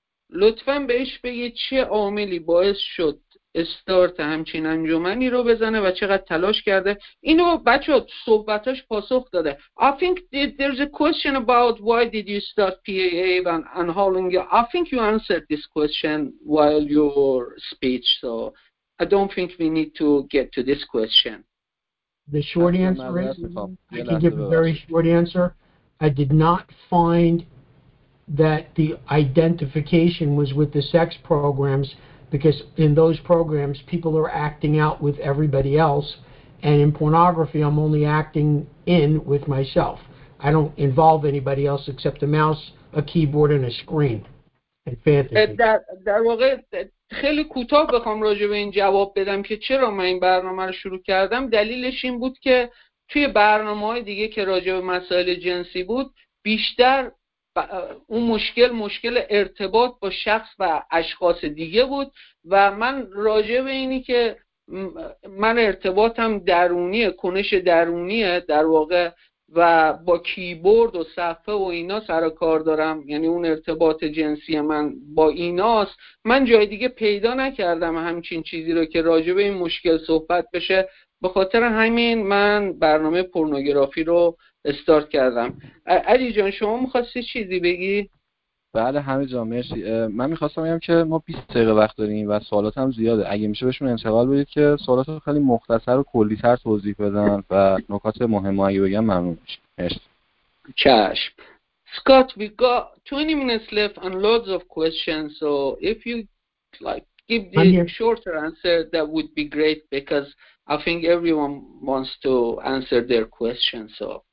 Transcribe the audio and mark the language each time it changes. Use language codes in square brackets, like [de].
[fa] لطفاً بهش بگید چه عاملی باعث شد استارت همچین انجمنی رو بزنه و چقدر تلاش کرده. اینو بچه صحبتاش پاسخ داده. [en] I think there's a question about why did you start PAA and how long you... I think you answered this question while your speech, so I don't think we need to get to this question. The short answer is, I can give a very short answer. I did not find that the identification was with the sex programs, because in those programs, people are acting out with everybody else, And in pornography, I'm only acting in with myself. I don't involve anybody else except a mouse, a keyboard, and a screen. And fantasy. [fa] در واقع خیلی کوتاه بخوام راجع به این جواب بدم که چرا من این برنامه رو شروع کردم. دلیلش این بود که توی برنامه‌های دیگه که راجع به مسائل جنسی بود، بیشتر اون مشکل ارتباط با شخص و اشخاص دیگه بود و من راجع به اینی که من ارتباطم درونیه، کنش درونیه در واقع و با کیبورد و صفحه و اینا سر و کار دارم، یعنی اون ارتباط جنسی من با ایناست، من جای دیگه پیدا نکردم همچین چیزی رو که راجع به این مشکل صحبت بشه، به خاطر همین من برنامه پورنوگرافی رو استارت کردم. علی جان شما می‌خواستی چیزی بگی؟ بله همه جا مرسی. من میخواستم بگم که ما 20 دقیقه وقت داریم و سوالات هم زیاده، اگه میشه بهشون انتقال بدید که سوالات رو خیلی مختصر و کلیتر توضیح بدن و نکات مهم رو اگه بگم ممنون میشم. چشم. [en] Scott, we got 20 minutes left and loads of questions, so if you like give the shorter answer that would be great because I think everyone wants to answer their questions, so